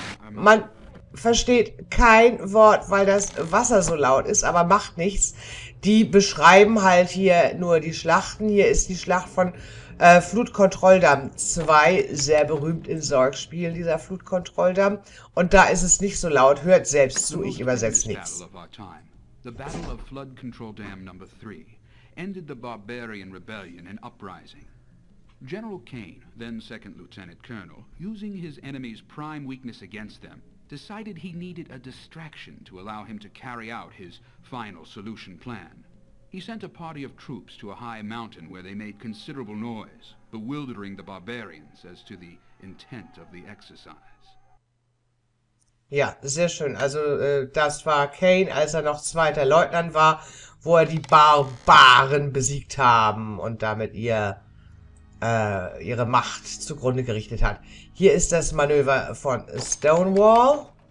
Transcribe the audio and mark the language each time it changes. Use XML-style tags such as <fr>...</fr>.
<de>Man versteht kein Wort, weil das Wasser so laut ist, aber macht nichts. Die beschreiben halt hier nur die Schlachten. Hier ist die Schlacht von Flutkontrolldamm 2, sehr berühmt in Sorgspielen, dieser Flutkontrolldamm. Und da ist es nicht so laut, hört selbst zu, ich übersetze nichts.</de> <en>The Battle of Flood Control Dam Number 3 ended the Barbarian Rebellion and Uprising. General Kane, then Second Lieutenant Colonel, using his enemy's prime weakness against them, decided he needed a distraction to allow him to carry out his final solution plan. He sent a party of troops to a high mountain where they made considerable noise, bewildering the barbarians as to the intent of the exercise.</en> <de>Ja, sehr schön. Also das war Kane, als er noch zweiter Leutnant war, wo er die Barbaren besiegt haben und damit ihre Macht zugrunde gerichtet hat. Hier ist das Manöver von Stonewall.</de>